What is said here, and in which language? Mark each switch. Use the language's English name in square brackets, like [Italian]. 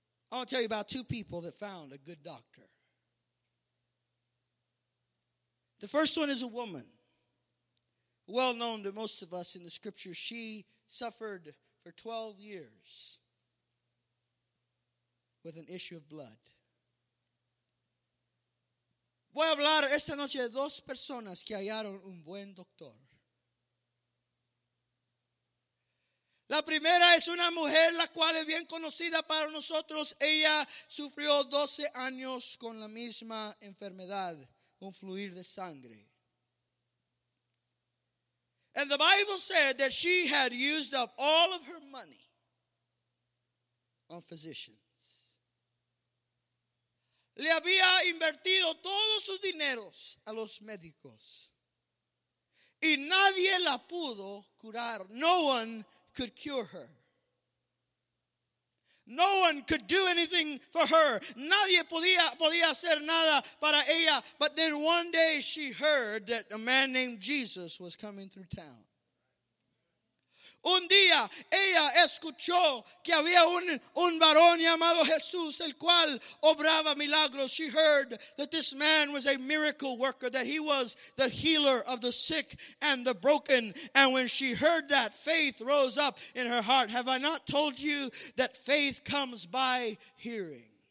[English] I want to tell you about two people that found a good doctor. The first one is a woman, well known to most of us in the scriptures. She suffered for 12 years with an issue of blood. [Spanish] Voy a hablar esta noche de dos personas que hallaron un buen doctor. La primera es una mujer la cual es bien conocida para nosotros. Ella sufrió 12 años con la misma enfermedad, un fluir de sangre. [English] And the Bible said that she had used up all of her money on physicians. [Spanish] Le había invertido todos sus dineros a los médicos. Y nadie la pudo curar. [English] No one could cure her. No one could do anything for her. [Spanish] Nadie podía hacer nada para ella. [English] But then one day she heard that a man named Jesus was coming through town. [Spanish] Un día ella escuchó que había un varón llamado Jesús, el cual obraba milagros. [English] She heard that this man was a miracle worker, that he was the healer of the sick and the broken. And when she heard that, faith rose up in her heart. Have I not told you that faith comes by hearing?